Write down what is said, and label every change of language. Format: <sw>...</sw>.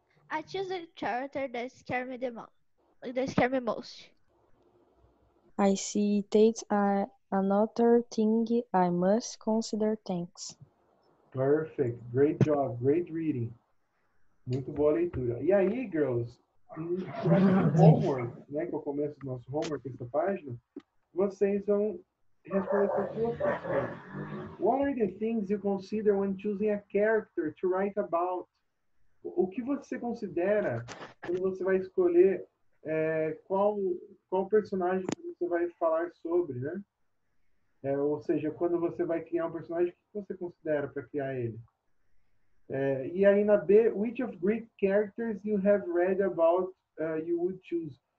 <en>I choose a character that scares me the most. I see, Tate, another thing I must consider, thanks. Perfect, great job, great reading.</en> <pt>Muito boa leitura. E aí, girls, homework, né, que é o começo do nosso homework, essa página, vocês vão responder para a sua pergunta.</pt> <en>What are the things you consider when choosing a character to write about?</en> <pt>O que você considera quando você vai escolher qual personagem você vai falar sobre, né? Ou seja, quando você vai criar um personagem, o que você considera para criar ele? E aí na B,</pt> <en>which of Greek characters you have read about you would choose?</en>